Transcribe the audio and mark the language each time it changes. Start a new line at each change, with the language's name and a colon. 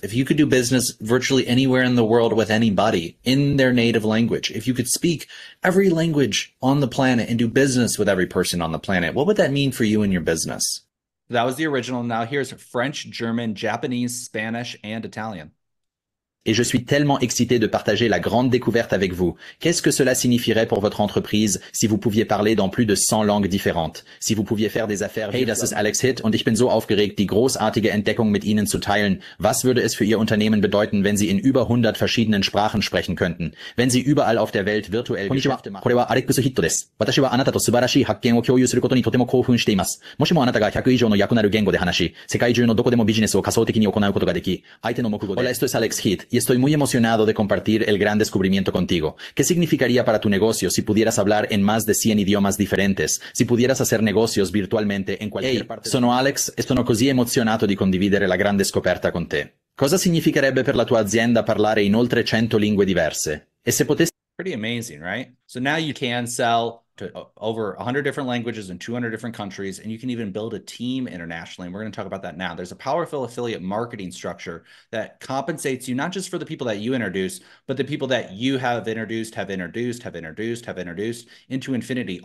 English: If you could do business virtually anywhere in the world with anybody in their native language? If you could speak every language on the planet and do business with every person on the planet, what would that mean for you and your business? That was the original. Now here's French, German, Japanese, Spanish, and Italian.
French: et je suis tellement excité de partager la grande découverte avec vous. Qu'est-ce que cela signifierait pour votre entreprise si vous pouviez parler dans plus de 100 langues différentes? Si vous pouviez faire des affaires...
German: Hey, das ist Alex Hitt und ich bin so aufgeregt, die großartige Entdeckung mit Ihnen zu teilen. Was würde es für Ihr Unternehmen bedeuten, wenn Sie in über 100 verschiedenen Sprachen sprechen könnten? Wenn Sie überall auf der Welt virtuell Geschäfte machen...
Japanese: これはアレックスヒットです。私はあなたと素晴らしい発見を共有することにとても興奮しています。もしもあなたが100以上の訳なる言語で話し、世界中のどこでもビジネスを仮想的に行うことができ、相手の目語で...
Spanish: Hola, esto es Alex Hitt. Y estoy muy emocionado de compartir el gran descubrimiento contigo. ¿Qué significaría para tu negocio si pudieras hablar en más de 100 idiomas diferentes? Si pudieras hacer negocios virtualmente en cualquier parte...
Italian: Hey, sono Alex e sono così emozionato di condividere la grande scoperta con te. Cosa significherebbe per la tua azienda parlare in oltre 100 lingue diverse? E se potessi...
English: Pretty amazing, right? So now you can sell to over 100 different languages in 200 different countries, and you can even build a team internationally. And we're going to talk about that now. There's a powerful affiliate marketing structure that compensates you, not just for the people that you introduce, but the people that you have introduced, have introduced, have introduced, have introduced into infinity.